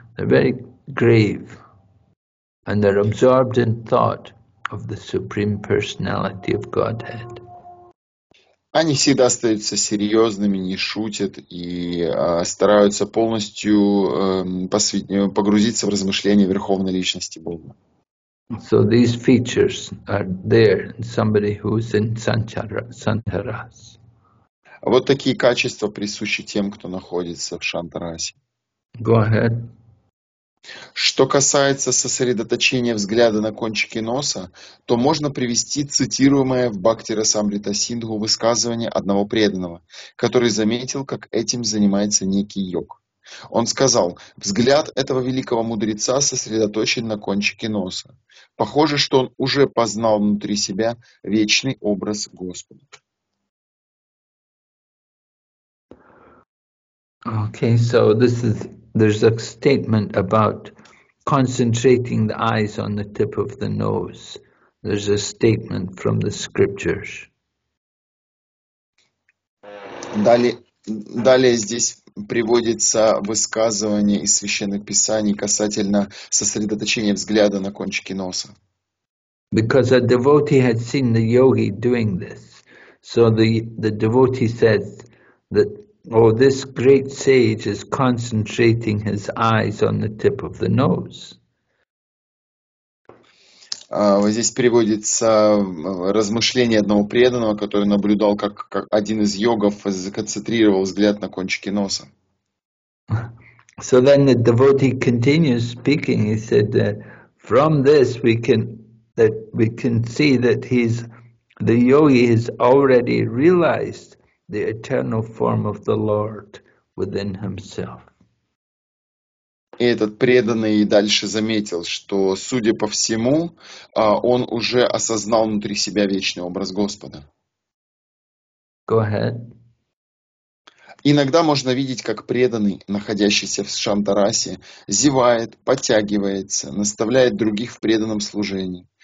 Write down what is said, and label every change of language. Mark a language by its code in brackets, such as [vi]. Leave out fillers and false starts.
[en] They're very grave. And they're absorbed in thought. Of the Supreme Personality of Godhead. [ru] Они всегда остаются серьезными, не шутят и стараются полностью погрузиться в размышления Верховной Личности Бога. [en] So these features are there in somebody who's in Shantaras. [ru] Вот такие качества присущи тем, кто находится в Шантарасе. [en] Go ahead. [ru] Что касается сосредоточения взгляда на кончике носа, то можно привести цитируемое в Бхактирасамрита Синдху высказывание одного преданного, который заметил, как этим занимается некий йог. Он сказал: «Взгляд этого великого мудреца сосредоточен на кончике носа. Похоже, что он уже познал внутри себя вечный образ Господа». [en] Okay, so this is... There's a statement about concentrating the eyes on the tip of the nose. There's a statement from the scriptures. [ru] Далее здесь приводится высказывание из священных писаний касательно сосредоточения взгляда на кончике носа. [en] Because a devotee had seen the yogi doing this, so the devotee said that. Oh, this great sage is concentrating his eyes on the tip of the nose. [ru] Вот здесь приводится размышление одного преданного, который наблюдал, как один из йогов сконцентрировал взгляд на кончике носа. [en] So then the devotee continues speaking. He said that from this we can see that the yogi has already realized the eternal form of the Lord within himself. [ru] И этот преданный дальше заметил, что, судя по всему, он уже осознал внутри себя вечный образ Господа. [en] Go ahead. [ru] Иногда можно видеть, как преданный, находящийся в Шантарасе, зевает, подтягивается, наставляет других в преданном служении.